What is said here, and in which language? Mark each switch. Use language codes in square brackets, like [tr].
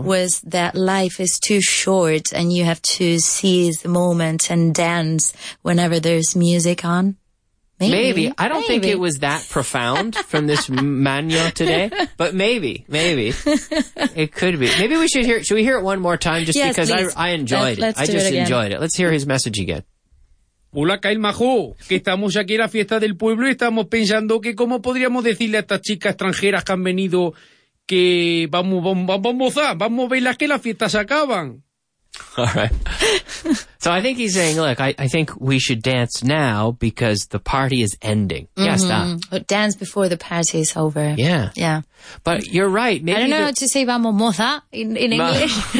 [en] Was that life is too short and you have to seize the moment and dance whenever there's music on. Maybe. I don't think it was that profound from this manual today, but maybe. It could be. Maybe we should hear it. Should we hear it one more time just yes, because please. I enjoyed let's it. Do I just it again. Enjoyed it. Let's hear his message again. [es] Hola, Kyle Majo, que estamos aquí en la fiesta del pueblo y estamos pensando que cómo podríamos decirle a estas chicas extranjeras que han venido que vamos a verlas que las fiestas se acaban. [en] All right. So I think he's saying, look, I think we should dance now because the party is ending. Mm-hmm. Yes, that. Dance before the party is over. Yeah. Yeah. But you're right. Maybe I don't know how to say [es] vamos moza [en] in English.